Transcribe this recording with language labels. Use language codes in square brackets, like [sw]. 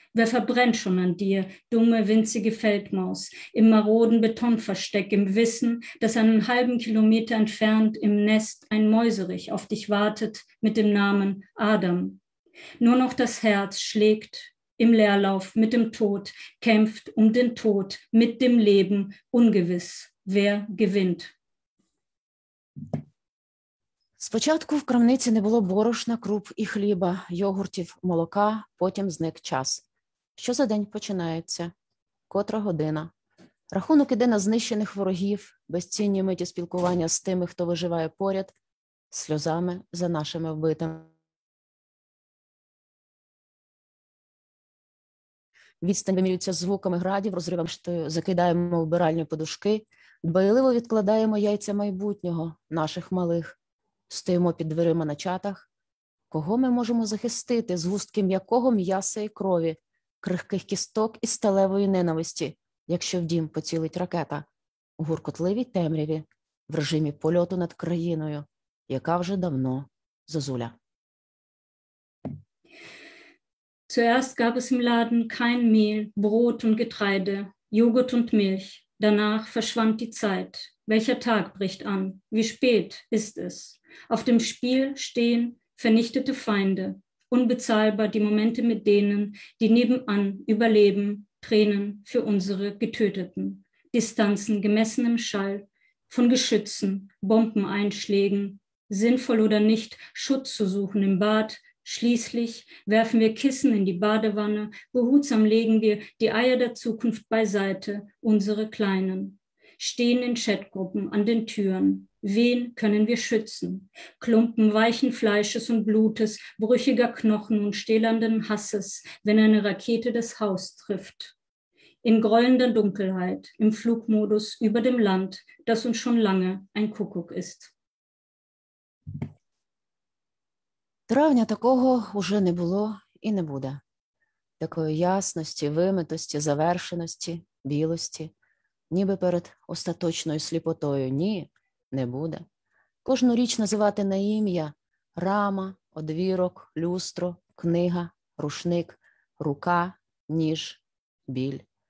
[de] Wer verbrennt schon an dir, dumme, winzige Feldmaus, im maroden Betonversteck, im Wissen, dass einen halben Kilometer entfernt im Nest ein Mäuserich auf dich wartet mit dem Namen Adam. Nur noch das Herz schlägt im Leerlauf mit dem Tod, kämpft um den Tod mit dem Leben, ungewiss, wer gewinnt. [uk] Спочатку в крамниці не було борошна, круп і хліба, йогуртів, молока, потім зник час. Що за день починається? Котра година? Рахунок іде на знищених ворогів, безцінні миті спілкування з тими, хто виживає поряд, сльозами за нашими вбитими. Відстань вимірюється звуками градів, розривом штою, закидаємо вбиральні подушки, дбайливо відкладаємо яйця майбутнього, наших малих. Стоїмо під дверима на чатах. Кого ми можемо захистити з густки м'якого м'яса і крові? Крихких кісток і сталевої ненависті, якщо в дім поцілить ракета, у гуркотливій темряві, в режимі польоту над країною, яка вже давно зозуля. [de] Zuerst gab es im Laden kein Mehl, Brot und Getreide, Joghurt und Milch. Danach verschwand die Zeit. Welcher Tag bricht an? Wie spät ist es? Auf dem Spiel stehen vernichtete Feinde. Unbezahlbar die Momente mit denen, die nebenan überleben, Tränen für unsere Getöteten. Distanzen gemessen im Schall von Geschützen, Bombeneinschlägen, sinnvoll oder nicht, Schutz zu suchen im Bad. Schließlich werfen wir Kissen in die Badewanne, behutsam legen wir die Eier der Zukunft beiseite, unsere Kleinen. Stehen in Chatgruppen an den Türen. Wen können wir schützen? Klumpen weichen Fleisches und Blutes, brüchiger Knochen und stählernden Hasses, wenn eine Rakete das Haus trifft. In grollender Dunkelheit, im Flugmodus über dem Land, das uns schon lange ein Kuckuck ist. [uk] Травня такого уже не було і не буде. Такої ясності, вимитості, завершеності, білості, ніби перед остаточною сліпотою. Ні. Не буде. Кожну річ називати на ім'я – рама, одвірок, люстро, книга, рушник, рука, ніж, біль.